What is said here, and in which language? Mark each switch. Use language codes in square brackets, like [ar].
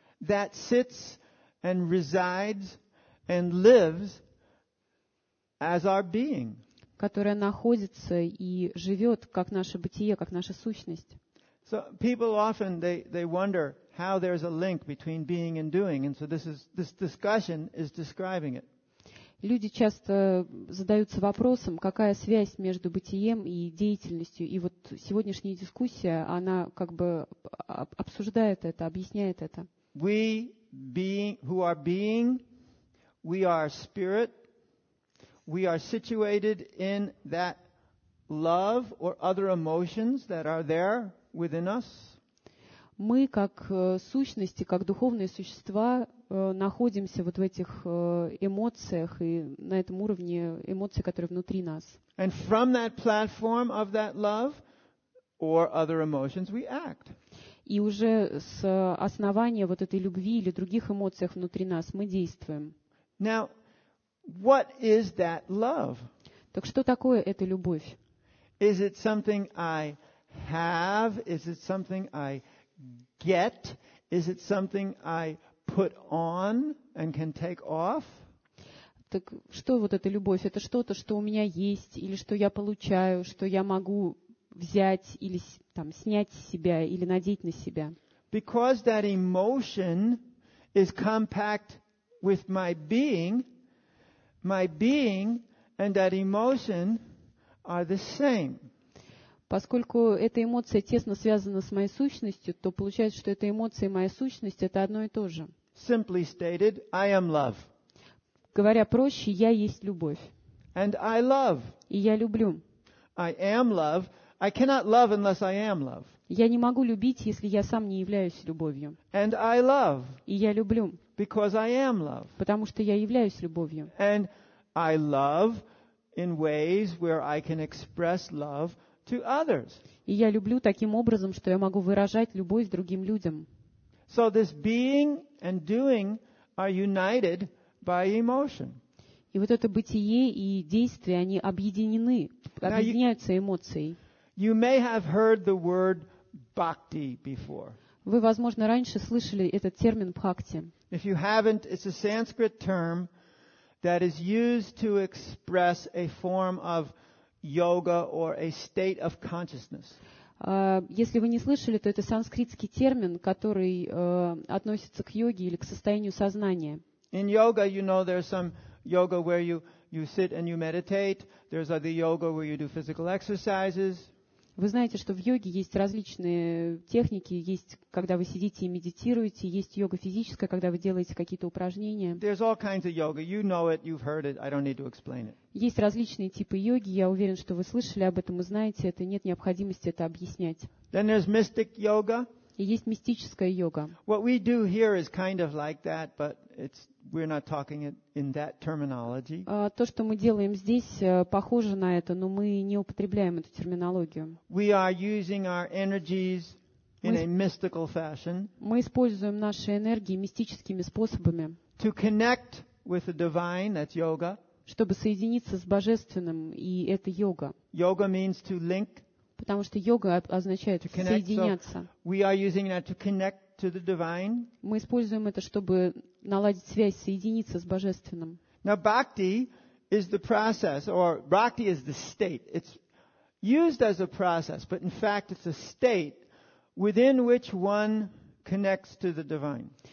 [en] That sits and resides and lives as our being. [ru] Которая находится и живет как наше бытие, как наша сущность. [en] So people often they wonder how there's a link between being and doing, and so this discussion is describing it. [ru] Люди часто задаются вопросом, какая связь между бытием и деятельностью, и вот сегодняшняя дискуссия, она как бы обсуждает это, объясняет это. [en] We being, who are being, we are spirit, we are situated in that love or other emotions that are there within us. [ru] Мы как сущности, как духовные существа находимся вот в этих эмоциях и на этом уровне эмоций, которые внутри нас. [en] And from that platform of that love or other emotions, we act. [ru] И уже с основания вот этой любви или других эмоциях внутри нас мы действуем. [en] Now, what is that love? [ru] Так что такое эта любовь? [en] Is it something I have? Is it something I get? Is it something I put on and can take off? [ru] Так что вот эта любовь? Это что-то, что у меня есть, или что я получаю, что я могу взять или там снять с себя или надеть на себя. [en] Because that emotion is compact with my being and that emotion are the same. [ru] Поскольку эта эмоция тесно связана с моей сущностью, то получается, что эта эмоция и моя сущность — это одно и то же. [en] Simply stated, I am love. [ru] Говоря проще, я есть любовь. [en] And I love. [ru] И я люблю. [en] I am love. I cannot love unless I am love. [ru] Я не могу любить, если я сам не являюсь любовью. [en] And I love. [ru] И я люблю. [en] Because I am love. [ru] Потому что я являюсь любовью. [en] And I love in ways where I can express love to others. [ru] И я люблю таким образом, что я могу выражать любовь другим людям. [en] So this being and doing are united by emotion. [ru] И вот это бытие и действие, они объединены, объединяются эмоцией. [en] You may have heard the word bhakti before. [ru] Вы, возможно, раньше слышали этот термин бхакти. [en] If you haven't, it's a Sanskrit term that is used to express a form of yoga or a state of consciousness. [ru] Если вы не слышали, то это санскритский термин, который относится к йоге или к состоянию сознания. [en] In yoga, you know, there's some yoga where you sit and you meditate. There's other yoga where you do physical exercises. [ru] Вы знаете, что в йоге есть различные техники. Есть, когда вы сидите и медитируете. Есть йога физическая, когда вы делаете какие-то упражнения. [en] There's all kinds of yoga. You know it, you've heard it. I don't need to explain it. [ru] Есть различные типы йоги. Я уверен, что вы слышали об этом и знаете это. Нет необходимости это объяснять. [en] Then there's mystic yoga. [ru] И есть мистическая йога. [en] What we do here is kind of like that, but we're not talking it in that terminology. [ru] То, что мы делаем здесь, похоже на это, но мы не употребляем эту терминологию. [en] We are using our energies in a mystical fashion. [ru] Мы используем наши энергии мистическими способами. [en] To connect with the divine, that's yoga. [ru] Чтобы соединиться с божественным, и это йога. [en] Yoga means to link. [ru] Потому что йога означает соединяться. [en] So we are using that to connect to the divine. [ru] Мы используем это, чтобы наладить связь, соединиться с божественным. [en] Now bhakti is the process, or bhakti is the state. It's used as a process, but in fact it's a state within which one connects to the divine.